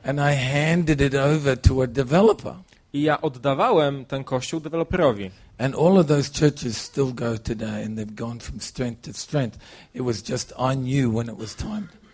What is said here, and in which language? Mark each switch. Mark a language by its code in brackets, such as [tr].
[en] And I handed it over to a developer. [pl] I ja oddawałem ten kościół deweloperowi. [en] And all of those churches still go today and they've gone from strength to strength. It was just I knew when it was time.